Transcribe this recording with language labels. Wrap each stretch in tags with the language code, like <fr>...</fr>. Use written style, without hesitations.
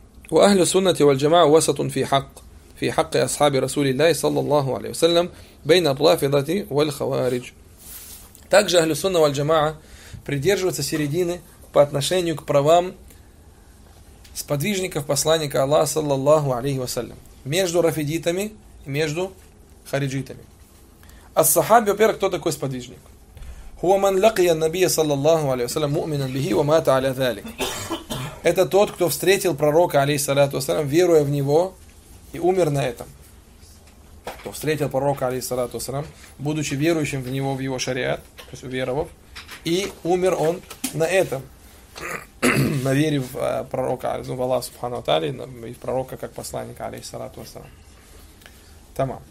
<ar>وأهل السنة والجماعة وسط في حق في حق أصحاب رسول الله صلى الله عليه وسلم بين الرافضة والخوارج.</ar> <ru>Также أهل السنة والجماعة придерживаются середины по отношению к правам сподвижников посланника Аллаха</ru> <ar>صلى الله عليه وسلم</ar> <ru>между рафидитами и между хариджитами. الصحابي, во-первых, кто такой сподвижник?</ru> <ar>هو من لقي النبي صلى الله عليه وسلم مؤمنا به ومات على ذلك.</ar> <ru>Это тот, кто встретил пророка, алейхиссалату вассалям, веруя в него, и умер на этом. Кто встретил пророка, алейхиссалату вассалям, будучи верующим в него, в его шариат, то есть уверовав, и умер он на этом, на вере в пророка, в Аллах субхану ва тааля, и в пророка как посланника, алейхиссалату вассалям. Тамам.</ru>